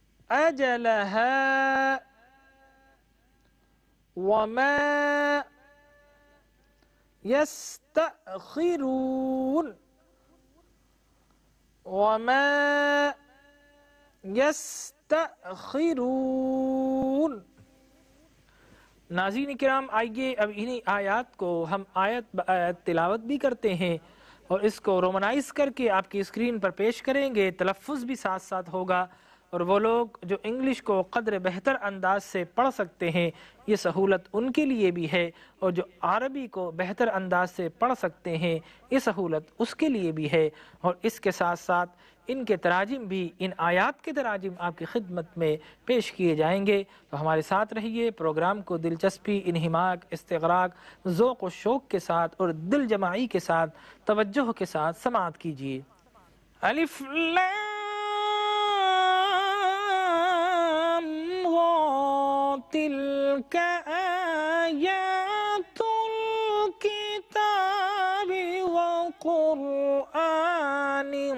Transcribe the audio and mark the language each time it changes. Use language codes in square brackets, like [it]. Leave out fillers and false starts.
[ar] أجلها وما يستأخرون وما يستأخرون [ur] ناظرین کرام آئیے اب انہی آیات کو ہم آیت بآیت تلاوت بھی کرتے ہیں اور اس کو رومنائز کر کے آپ کی اسکرین پر پیش کریں گے، تلفظ بھی ساتھ ساتھ ہوگا اور وہ لوگ جو انگلش کو قدر بہتر انداز سے پڑھ سکتے ہیں یہ سہولت ان کے لیے بھی ہے، اور جو عربی کو بہتر انداز سے پڑھ سکتے ہیں یہ سہولت اس کے لیے بھی ہے، اور اس کے ساتھ ساتھ ان کے تراجم بھی، ان آیات کے تراجم آپ کی خدمت میں پیش کیے جائیں گے۔ تو ہمارے ساتھ رہیے، پروگرام کو دلچسپی، انہماک، استغراق، ذوق و شوق کے ساتھ اور دل جمعی کے ساتھ، توجہ کے ساتھ سماعت کیجیے۔ [ar] الف لام را تلک آیات الکتاب و قرآن